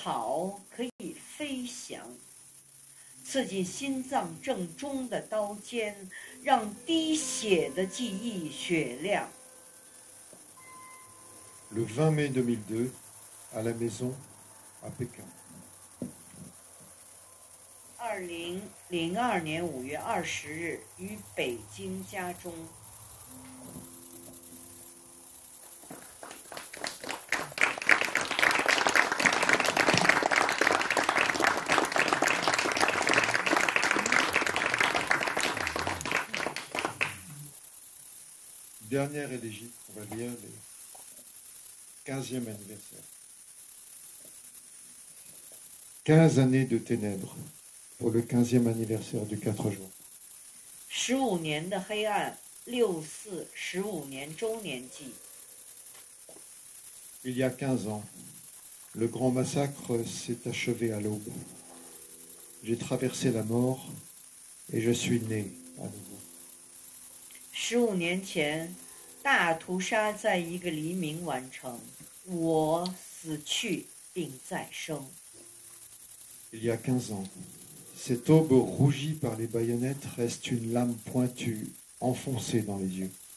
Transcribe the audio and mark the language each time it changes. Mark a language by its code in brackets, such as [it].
[zh] 在遗忘和恐怖之下，这个日子被埋葬，在记忆和勇气之中，这个日子永远活着，是不死的石头，而石头可以呐喊，是让墓地长青的野草，而野草可以飞翔。刺进心脏正中的刀尖，让滴血的记忆雪亮。 [fr] Le 20 mai 2002, à la maison, à Pékin. [zh] 2002年5月20日，于北京家中。 [fr] Dernière élégie, on va lire le 15e anniversaire. 15 années de ténèbres pour le 15e anniversaire du 4 juin. 15 ans de [zh] 黑暗, [fr] 64, 15 ans [zh] 周年祭. [fr] Il y a 15 ans, le grand massacre s'est achevé à l'aube. J'ai traversé la mort et je suis né à nouveau. 15 ans [zh] 前, 大屠杀在一个黎明完成，我死去并再生。 [fr] Il y a 15 ans, cette aube rougie par les baïonnettes reste une lame pointue enfoncée dans les yeux.